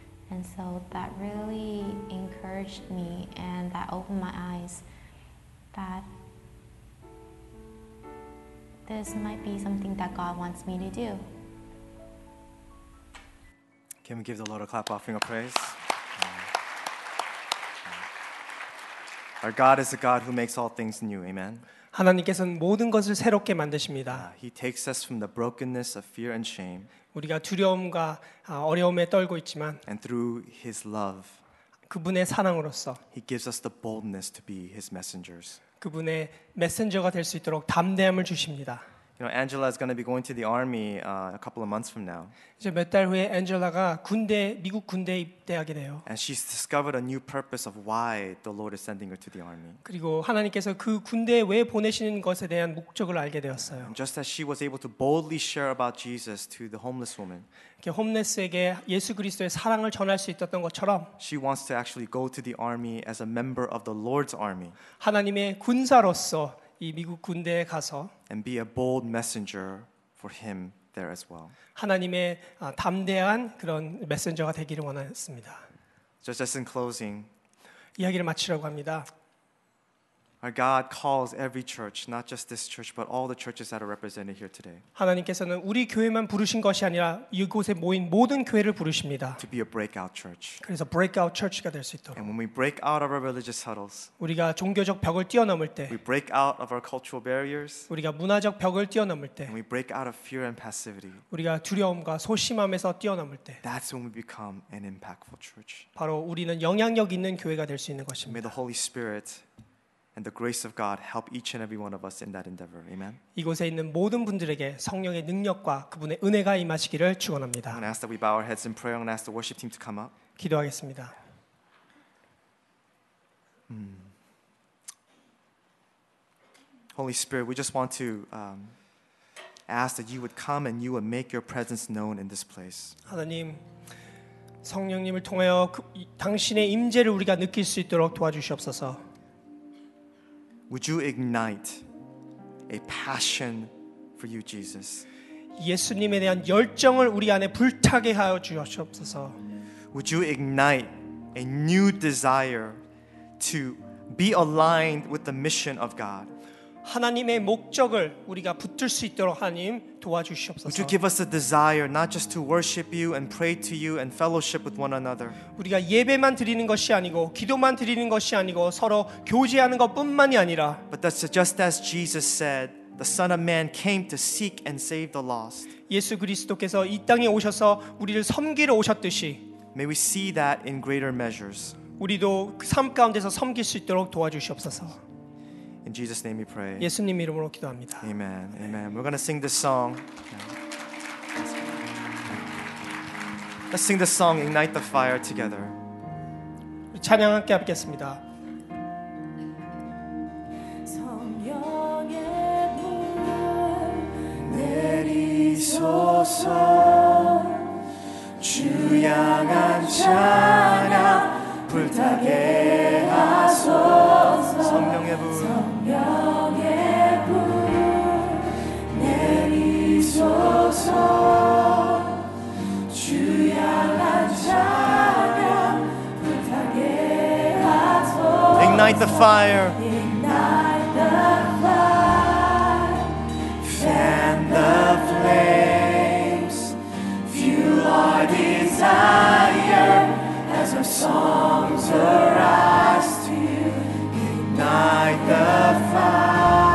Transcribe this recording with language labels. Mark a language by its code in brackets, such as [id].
[en] And so that really encouraged me, and that opened my eyes that this might be something that God wants me to do. Can we give the Lord a clap offering of praise? Our God is a God who makes all things new. Amen. [ko] 하나님께서는 모든 것을 새롭게 만드십니다. [en] He takes us from the brokenness of fear and shame. [ko] 우리가 두려움과 어려움에 떨고 있지만, [en] and through His love, [ko] 그분의 사랑으로서, [en] He gives us the boldness to be His messengers. [ko] 그분의 메신저가 될 수 있도록 담대함을 주십니다. [en] You know, Angela is going to be going to the army a couple of months from now. [ko] 이제 몇 달 후에 앤젤라가 군대 미국 군대에 입대하게 돼요. [en] And she's discovered a new purpose of why the Lord is sending her to the army. [ko] 그리고 하나님께서 그 군대에 왜 보내시는 것에 대한 목적을 알게 되었어요. [en] And just as she was able to boldly share about Jesus to the homeless woman. [ko] 이렇게 홈리스에게 예수 그리스도의 사랑을 전할 수 있었던 것처럼 [en] she wants to actually go to the army as a member of the Lord's army. [ko] 하나님의 군사로서 이 미국 군대에 가서 [en] and be a bold messenger for him there as well. [ko] 하나님의 담대한 그런 메신저가 되기를 원하였습니다. [en] So just in closing, [ko] 이야기를 마치려고 합니다. [en] Our God calls every church, not just this church, but all the churches that are represented here today. [ko] 하나님께서는 우리 교회만 부르신 것이 아니라 이곳에 모인 모든 교회를 부르십니다. [en] To be a breakout church. [ko] 그래서 breakout church가 될 수 있도록. [en] And when we break out of our religious hurdles, [ko] 우리가 종교적 벽을 뛰어넘을 때, [en] we break out of our cultural barriers, [ko] 우리가 문화적 벽을 뛰어넘을 때, [en] and we break out of fear and passivity, [ko] 우리가 두려움과 소심함에서 뛰어넘을 때, [en] that's when we become an impactful church. [ko] 바로 우리는 영향력 있는 교회가 될 수 있는 것입니다. [en] May the Holy Spirit and the grace of God help each and every one of us in that endeavor. Amen. [ko] 이곳에 있는 모든 분들에게 성령의 능력과 그분의 은혜가 임하시기를 축원합니다. [en] And ask that we bow our heads in prayer and ask the worship team to come up. [ko] 기도하겠습니다. [en] Holy Spirit, we just want to ask that you would come and you would make your presence known in this place. [ko] 하나님, 성령님을 통하여 그, 당신의 임재를 우리가 느낄 수 있도록 도와주시옵소서. [en] Would you ignite a passion for you, Jesus? [ko] 예수님에 대한 열정을 우리 안에 불타게 하여 주시옵소서. [en] Would you ignite a new desire to be aligned with the mission of God? [ko] 하나님의 목적을 우리가 붙들 수 있도록 하나님 도와주시옵소서. [en] Would you give us a desire not just to worship you and pray to you and fellowship with one another? [ko] 우리가 예배만 드리는 것이 아니고 기도만 드리는 것이 아니고 서로 교제하는 것뿐만이 아니라 [en] But that's just as Jesus said, the Son of Man came to seek and save the lost. [ko] 예수 그리스도께서 이 땅에 오셔서 우리를 섬기러 오셨듯이 [en] May we see that in greater measures. [ko] 우리도 그 삶 가운데서 섬길 수 있도록 도와주시옵소서. [en] In Jesus' name, we pray. [ko] 예수님 이름으로 기도합니다. [en] Amen. Amen. We're gonna sing this song. Let's sing this song, "Ignite the Fire," together. [ko] 우리 찬양 함께 하겠습니다. 성령의 불 내리소서 주 향한 찬양 불타게 하소서. 성령의 불. 영의 불 내리소서 주 향한 찬양 불타게 하소서 [en] Ignite the fire Ignite the fire Fan the flames Fuel our desire As our songs arise to you Ignite the